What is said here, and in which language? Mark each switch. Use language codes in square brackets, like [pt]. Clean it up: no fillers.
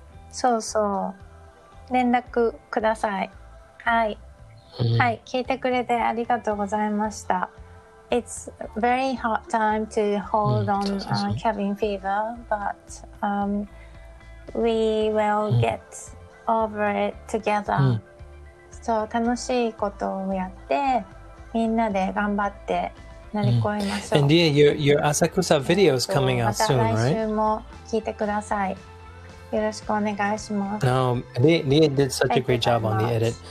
[ja] そうそう連絡くださいはい、はい聞いてくれてありがとうございました [en] It's very hard time to hold on cabin fever but we will get over it together. So, [ja] 楽しいことをやって、みんなで頑張って乗り越えましょう。 [en] And yeah, your Asakusa video is coming out soon, right? [ja] また来週も聞いてください。よろしくお願いします。 [en] No, Lia did such a great job on the edit.